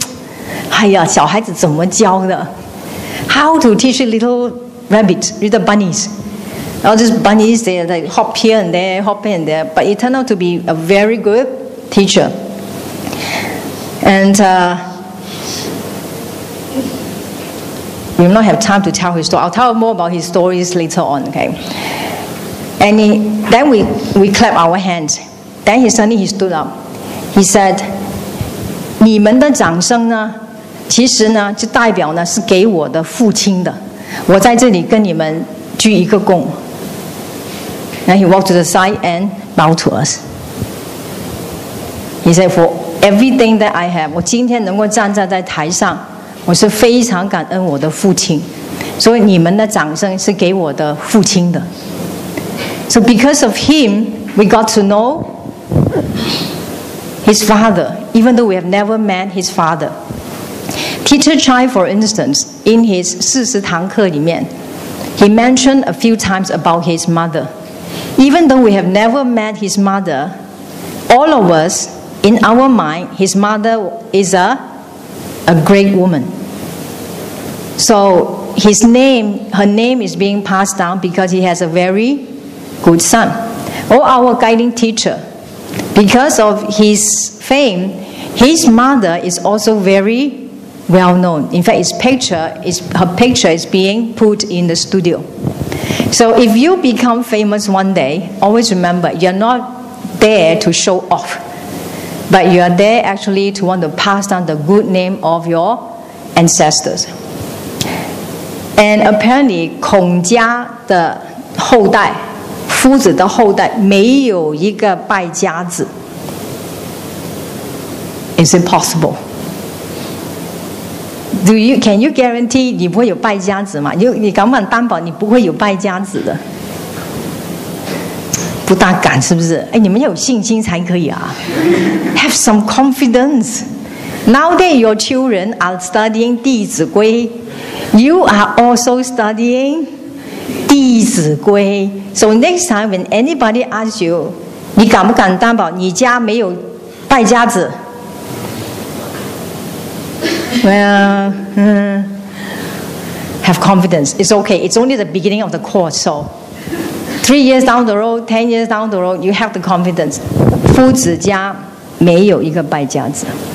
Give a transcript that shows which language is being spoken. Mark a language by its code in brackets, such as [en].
[zh] 哎呀，一个我们几个男生这么多女生，还要做幼稚园的老师，哎呀，小孩子怎么教的？ [en] How to teach little rabbits, little bunnies? All these bunnies, they like hop here and there, hop here and there. But it turned out to be a very good teacher. And we will not have time to tell his story. I'll tell more about his stories later on. Okay. And then we clap our hands. Then suddenly he stood up. He said, [zh] 你们的掌声呢，其实呢，就代表呢是给我的父亲的。我在这里跟你们鞠一个躬. [en] Then he walked to the side and bowed to us. He said, for everything that I have, [zh] 我今天能够站在台上，我是非常感恩我的父亲。所以你们的掌声是给我的父亲的。 [en] So because of him, we got to know his father, even though we have never met his father. Teacher Chai, for instance, in his [zh] 40堂课里面, [en] he mentioned a few times about his mother. Even though we have never met his mother, all of us, in our mind, his mother is a great woman. So his name, her name is being passed down because he has a very good son. Or our guiding teacher, because of his fame, his mother is also very well known. In fact, her picture is being put in the studio. So if you become famous one day, always remember, you're not there to show off, but you are there actually to want to pass down the good name of your ancestors. And apparently, [zh] 孔家的后代, 夫子的后代, 没有一个败家子。 [en] Is it possible? Do you, can you guarantee [zh] 你不会有败家子吗? 你敢不敢担保你不会有败家子的? 不大敢是不是?哎, 你们要有信心才可以啊。 [en] Have some confidence. Nowadays, your children are studying 弟子规。 You are also studying 弟子规。 So next time when anybody asks you, [zh] 你敢不敢担保你家没有败家子? [en] Well, have confidence. It's okay. It's only the beginning of the course. So 3 years down the road, 10 years down the road, you have the confidence. [zh] 夫子家没有一个败家子。